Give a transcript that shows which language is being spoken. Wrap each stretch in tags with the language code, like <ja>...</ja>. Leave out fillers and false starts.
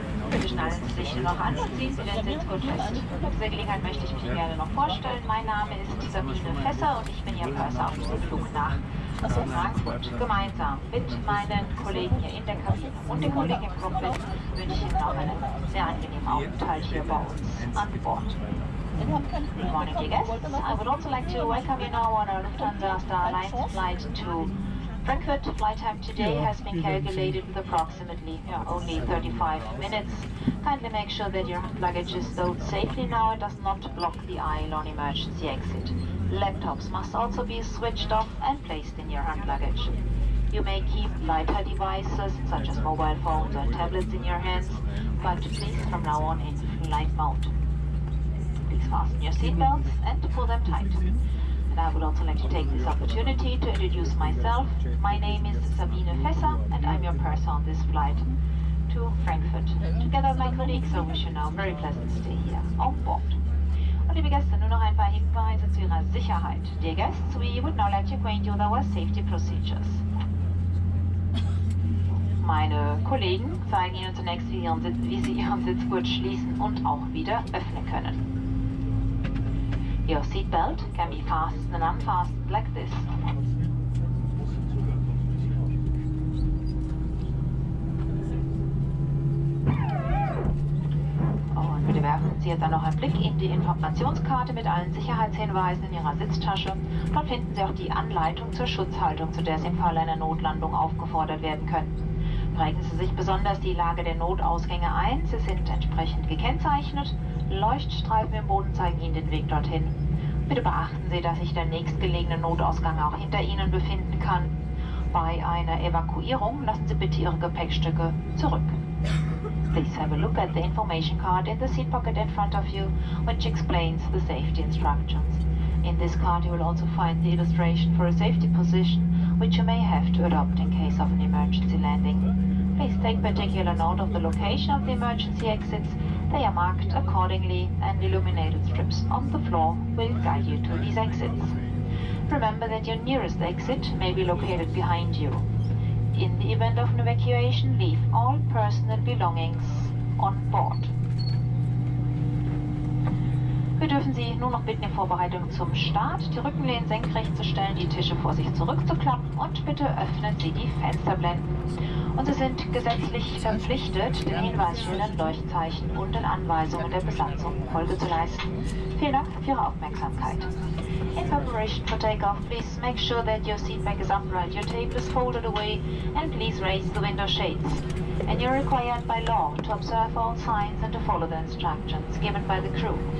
<de>Bitte schnallen Sie sich noch an und ziehen Sie den Sitzgurt fest. Zu dieser Gelegenheit möchte ich mich gerne noch vorstellen. Mein Name ist Sabine Fässer und ich bin Ihr Pörser auf diesem Flug nach Frankfurt. Gemeinsam mit meinen Kollegen hier in der Kabine und den Kollegen im Cockpit wünsche ich Ihnen noch einen sehr angenehmen Aufenthalt hier bei uns an Bord.</de> <en>Good morning, dear guests. I would also like to welcome you now on our Lufthansa Star Alliance flight to Frankfurt. Flight time today has been calculated with approximately only 35 minutes. Kindly make sure that your luggage is stowed safely now and does not block the aisle on emergency exit. Laptops must also be switched off and placed in your hand luggage. You may keep lighter devices such as mobile phones or tablets in your hands, but please from now on in flight mode. Please fasten your seatbelts and pull them tight. And I would also like to take this opportunity to introduce myself. My name is Sabine Fässer and I'm your purser on this flight to Frankfurt. Together with my colleagues, I wish you now a very pleasant stay here on board.</en> <de>Liebe Gäste, nur noch ein paar Hinweise zu Ihrer Sicherheit.</de> <en>Dear guests, we would now like to acquaint you with our safety procedures.</en> <de>Meine Kollegen zeigen Ihnen zunächst, wie Sie Ihren Sitzgurt schließen und auch wieder öffnen können.</de> <en>Your seatbelt can be fastened and unfastened like this.</en> <de>Bitte werfen Sie jetzt dann noch einen Blick in die Informationskarte mit allen Sicherheitshinweisen in Ihrer Sitztasche. Dort finden Sie auch die Anleitung zur Schutzhaltung, zu der Sie im Fall einer Notlandung aufgefordert werden können. Prägen Sie sich besonders die Lage der Notausgänge ein. Sie sind entsprechend gekennzeichnet. Leuchtstreifen im Boden zeigen Ihnen den Weg dorthin. Bitte beachten Sie, dass sich der nächstgelegene Notausgang auch hinter Ihnen befinden kann. Bei einer Evakuierung lassen Sie bitte Ihre Gepäckstücke zurück.</de> <en>Please have a look at the information card in the seat pocket in front of you, which explains the safety instructions. In this card, you will also find the illustration for a safety position, which you may have to adopt in case of an emergency landing. Please take particular note of the location of the emergency exits. They are marked accordingly, and illuminated strips on the floor will guide you to these exits. Remember that your nearest exit may be located behind you. In the event of an evacuation, leave all personal belongings on board.</en> <de>Wir dürfen Sie nur noch bitten, in Vorbereitung zum Start die Rückenlehnen senkrecht zu stellen, die Tische vor sich zurückzuklappen und bitte öffnen Sie die Fensterblenden. Und Sie sind gesetzlich verpflichtet, den Hinweisschildern, Leuchtzeichen und den Anweisungen der Besatzung Folge zu leisten. Vielen Dank für Ihre Aufmerksamkeit.</de> <en>In preparation for takeoff, please make sure that your seatback is upright, your table is folded away, and please raise the window shades. And you're required by law to observe all signs and to follow the instructions given by the crew.</en>